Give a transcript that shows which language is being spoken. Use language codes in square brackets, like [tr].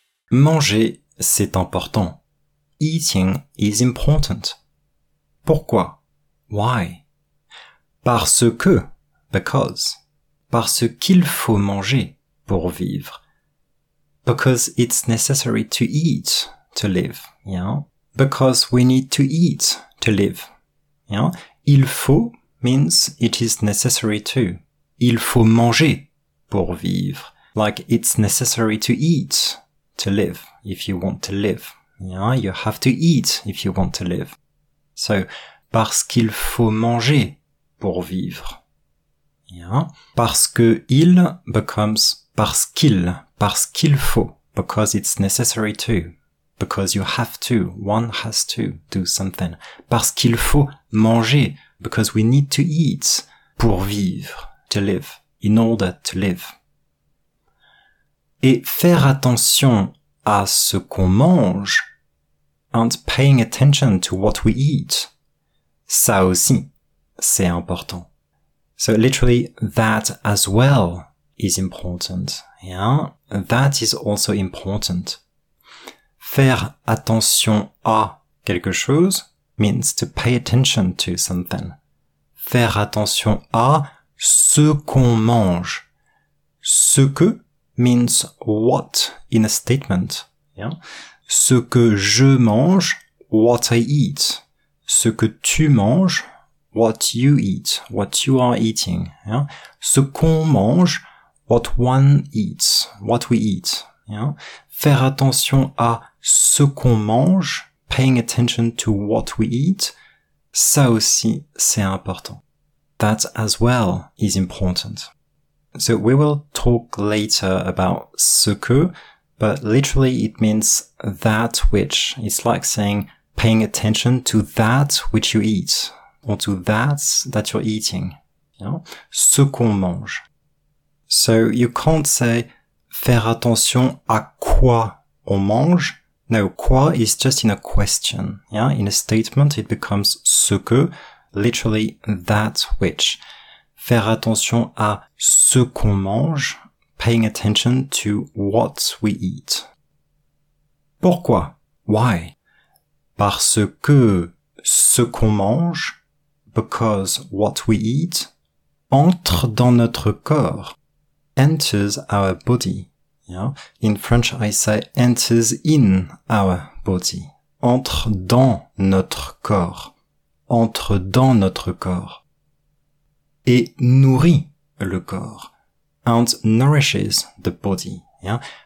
[fr] Manger, c'est important. [en] Eating is important. [fr] Pourquoi? [en] Why? [fr] Parce que, [en] because. [fr] Parce qu'il faut manger pour vivre. [en] Because it's necessary to eat to live. Yeah? Because we need to eat to live. Yeah? Il faut means it is necessary to. [fr] Il faut manger pour vivre. [en] Like it's necessary to eat to live if you want to live. Yeah? You have to eat if you want to live. [fr] So, parce qu'il faut manger pour vivre. [en] Yeah? Parce que il becomes parce qu'il faut, because it's necessary to, because you have to, one has to do something. [fr] Parce qu'il faut manger, [en] because we need to eat [fr] pour vivre, [en] to live, in order to live. [fr] Et faire attention à ce qu'on mange, [en] and paying attention to what we eat, [fr] ça aussi, c'est important. [en] So literally, that as well is important. Yeah, that is also important. [fr] Faire attention à quelque chose [en] means to pay attention to something. [fr] Faire attention à ce qu'on mange. [en] Ce que means what in a statement. Yeah. [fr] Ce que je mange, [en] what I eat. [fr] Ce que tu manges, [en] what you eat, what you are eating. Yeah. [fr] Ce qu'on mange, [en] what one eats, what we eat. Yeah. [fr] Faire attention à ce qu'on mange, [en] paying attention to what we eat, [fr] ça aussi, c'est important. [en] That as well is important. So we will talk later about ce que, but literally it means that which. It's like saying paying attention to that which you eat, or to that you're eating. Yeah. [fr] Ce qu'on mange. [en] So you can't say [fr] faire attention à quoi on mange. [en] No, quoi is just in a question. Yeah, in a statement it becomes ce que, literally that which. [fr] Faire attention à ce qu'on mange, [en] paying attention to what we eat. [fr] Pourquoi? [en] Why? [fr] Parce que ce qu'on mange, [en] because what we eat, [fr] entre dans notre corps. [en] Enters our body. Yeah. In French, I say enters in our body. [fr] Entre dans notre corps. Entre dans notre corps. Et nourrit le corps. [en] And nourishes the body. Yeah.